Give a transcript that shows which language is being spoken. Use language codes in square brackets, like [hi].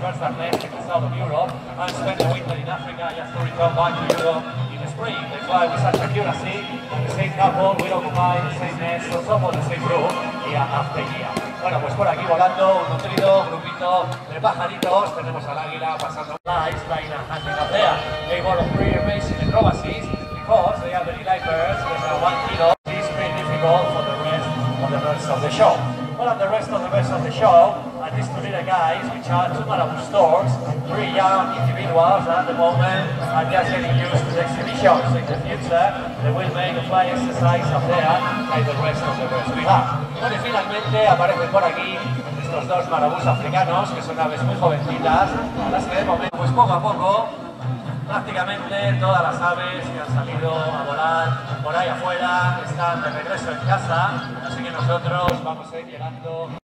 [en] Birds are nested in the south of Europe and spend the winter in Africa just to return back to Europe in the spring. They fly with such accuracy that the same couple will occupy the same nest or some of the same room year after year. [es] Bueno, pues por aquí volando, un nutrido grupito de pajaritos. Tenemos al águila pasando [en] flies, flying a hunting up there. They were pretty amazing acrobacies because they are very light birds, because they are 1 kilo. It's pretty difficult for the rest of the birds of the show. Well, and the rest of the birds of the show are these two little guys, which are two Malabar storks, three young individuals that at the moment are just getting used to the exhibitions. In the future, they will make the fly exercise up there like the rest of the birds we have. [es] Bueno, y finalmente aparecen por aquí estos dos marabús africanos, que son aves muy jovencitas, a las que de momento, pues poco a poco, prácticamente todas las aves que han salido a volar por ahí afuera están de regreso en casa, así que nosotros vamos a ir llegando.